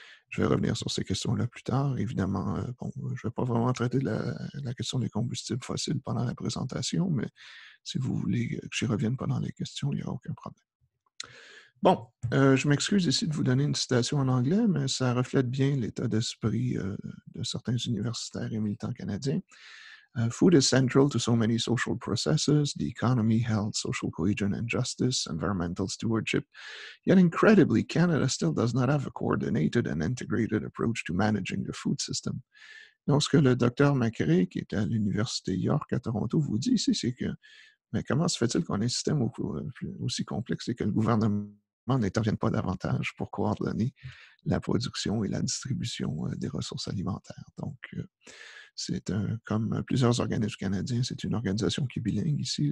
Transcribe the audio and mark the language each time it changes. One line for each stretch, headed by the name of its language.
French: Je vais revenir sur ces questions-là plus tard. Évidemment, je ne vais pas vraiment traiter la question des combustibles fossiles pendant la présentation, mais si vous voulez que j'y revienne pendant les questions, il n'y aura aucun problème. Bon, je m'excuse ici de vous donner une citation en anglais, mais ça reflète bien l'état d'esprit de certains universitaires et militants canadiens.
English: Food is central to so many social processes, the economy, health, social cohesion and justice, environmental stewardship. Yet incredibly, Canada still does not have a coordinated and integrated approach to managing the food system.
French: Lorsque le docteur McRae, qui est à l'Université York à Toronto, vous dit ici, c'est que, mais comment se fait-il qu'on ait un système aussi complexe et que le gouvernement n'intervienne pas davantage pour coordonner la production et la distribution des ressources alimentaires? Donc, c'est comme plusieurs organismes canadiens, c'est une organisation qui est bilingue ici.